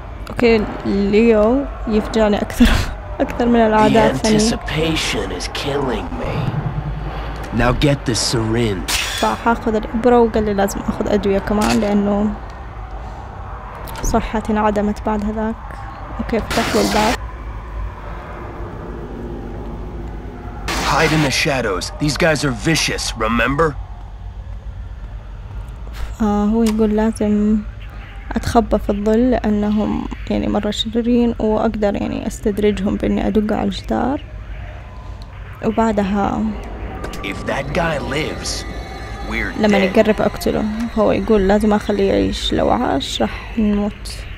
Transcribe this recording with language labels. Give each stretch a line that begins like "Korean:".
Arabic: اوكي ليو يفجعني اكثر من العادة.
English: The anticipation is killing me. Now get the syringe.
Arabic: فحاخذ الإبرة وقال لي لازم اخذ ادوية كمان لانه صحتي انعدمت بعد هذاك. اوكي فتح لي الباب.
English: Hide in the shadows. These guys are vicious, remember?
Arabic: هو يقول لازم اتخبى في الظل لانهم يعني مره شريرين واقدر يعني استدرجهم باني ادق على الجدار وبعدها
English: If that guy lives, we're
Arabic: لما يقرب اقتله. هو يقول لازم اخليه يعيش لو عاش راح نموت.